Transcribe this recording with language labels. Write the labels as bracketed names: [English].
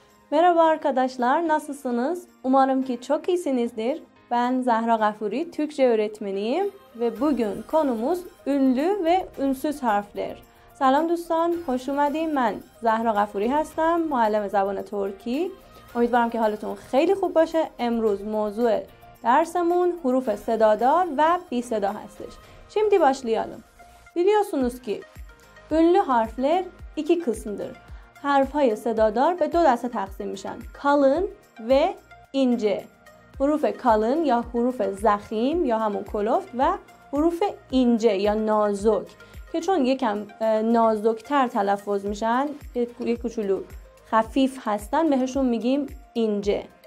[Turkish] Merhaba arkadaşlar, nasılsınız? Umarım ki çok iyisinizdir. Ben Zehra Gafuri, Türkçe öğretmeniyim ve bugün konumuz ünlü ve ünsüz harfler. [Persian] Salam dostan, [Turkish] hoş geldiniz. Ben [Persian] Zehra Gafuri هستم, معلم زبان ترکی. امیدوارم که حالتون خیلی خوب باشه. امروز موضوع درسمون حروف صدادار و بی صدا هستش. [Turkish] Şimdi başlayalım. Biliyorsunuz ki ünlü harfler iki kısımdır. [Persian] حرف های صدادار به دو دسته تقسیم میشن. کلن و اینجه. حروف کلن یا حروف زخیم یا همون کلوفت و حروف اینجه یا نازک که چون یکم نازک تر تلفظ میشن یک کوچولو خفیف هستن بهشون میگیم اینجه.